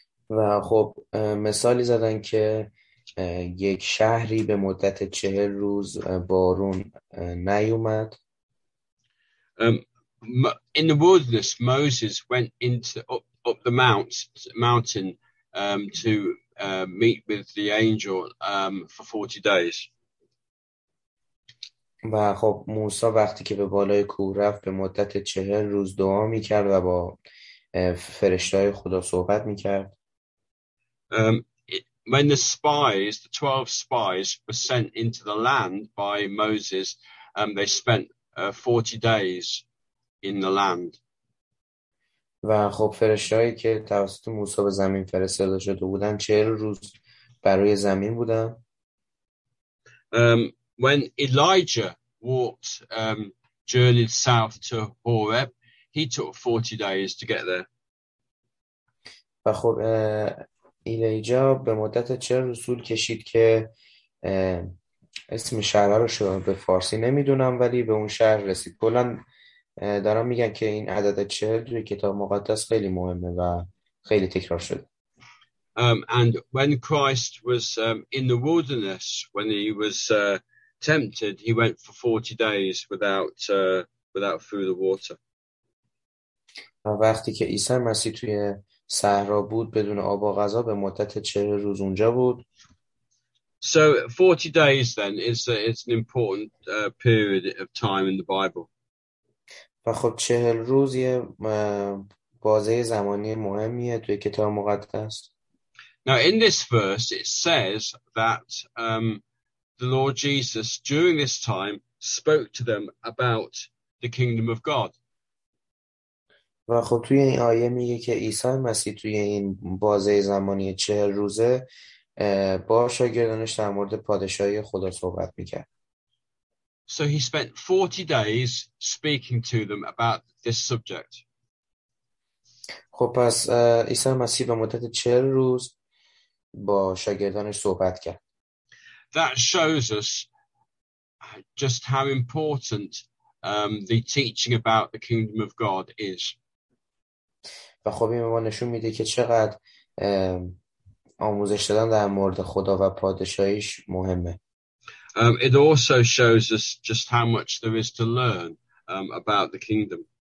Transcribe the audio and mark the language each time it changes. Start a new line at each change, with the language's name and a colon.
Persian: و خب مثالی زدن که یک شهری به مدت 40 روز بارون نیومد.
English: In the wilderness, Moses went into up the mountain to meet with the angel for 40 days.
Persian: و خب موسی وقتی که به بالای کوه رفت به مدت 40 روز دعا میکرد و با فرشته‌های خدا صحبت میکرد.
English: When the spies, the 12 spies, were sent into the land by Moses, they spent 40 days in the land.
Persian: و خب فرشته‌هایی که توسط موسی به زمین فرستاده شده بودن 40 روز برای زمین بودن.
English: When Elijah walked journeyed south to Horeb, he took 40 days to get there.
Persian: و خب ایلیجا به مدت 40 روز طول کشید که اسم شهر رو به فارسی نمیدونم ولی به اون شهر رسید. کلا دارن میگن که این عدد 40 توی کتاب مقدس خیلی مهمه و خیلی تکرار شده.
English: And when Christ was in the wilderness, when he was tempted, he went for 40 days without food or water.
Persian: وقتی که عیسی مسیح توی صحرا بود بدون آب و غذا به مدت 40 روز اونجا بود.
English: So 40 days then is an important period of time in the Bible.
Persian: و خب 40 روز یه بازه زمانی مهمیه توی کتاب مقدس.
English: Now in this verse it says that the Lord Jesus during this time spoke to them about the kingdom of God.
Persian: و خب توی این آیه میگه که عیسی مسیح توی این بازه زمانی 40 روزه با شاگردانش در مورد پادشاهی خدا صحبت میکرد.
English: So he spent 40 days speaking to them about this subject.
Persian: خب پس عیسی مسیح به مدت 40 روز با شاگردانش صحبت کرد.
English: That shows us just how important the teaching about the kingdom of God is.
Persian: و خب این به ما نشون میده که چقدر آموزش دادن در مورد خدا و پادشاهیش مهمه.
English: It also shows us just how much there is to learn about the kingdom.